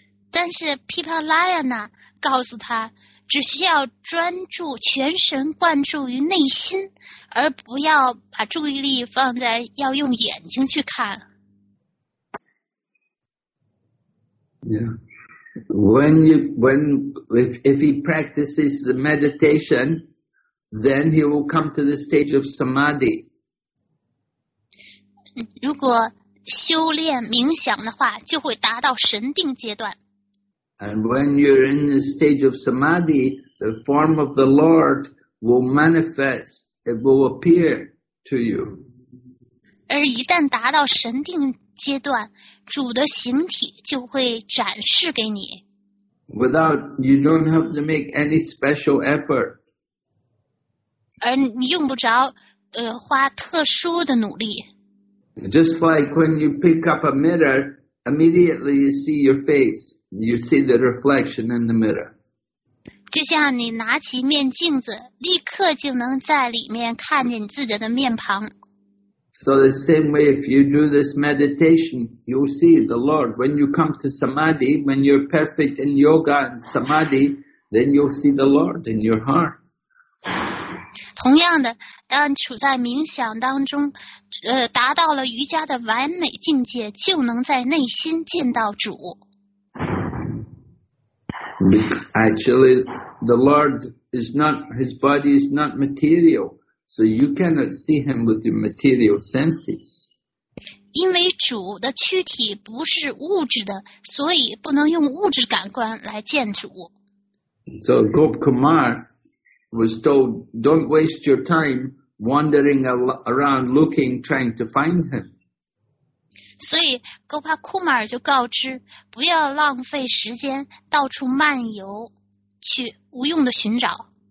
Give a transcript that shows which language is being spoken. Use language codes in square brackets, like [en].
[zh] 但是 Pipalayana 告诉他，只需要专注，全神贯注于内心，而不要把注意力放在要用眼睛去看。 [en] Yeah. When if he practices the meditation, then he will come to the stage of samadhi. [zh] 如果修炼冥想的话，就会达到神定阶段。 [en] And when you're in the stage of samadhi, the form of the Lord will manifest. It will appear to you. [zh] 而一旦达到神定阶段，主的形体就会展示给你。 [en] Without, you don't have to make any special effort. [zh] 而你用不着花特殊的努力。 [en] Just like when you pick up a mirror, immediately you see your face. You see the reflection in the mirror. [zh] 就像你拿起面镜子，立刻就能在里面看见自己的面庞。 [en] So the same way, if you do this meditation, you'll see the Lord. When you come to samadhi, when you're perfect in yoga and samadhi, then you'll see the Lord in your heart. [zh] 同样的，当处在冥想当中，达到了瑜伽的完美境界，就能在内心见到主。 [en] Actually, the Lord is not, his body is not material. So you cannot see him with your material senses. [zh] 因为主的躯体不是物质的，所以不能用物质感官来见主。 [en] So Gop Kumar was told, don't waste your time wandering around looking, trying to find him. [zh] 所以 Gopa Kumar 就告知，不要浪费时间到处漫游，去无用的寻找。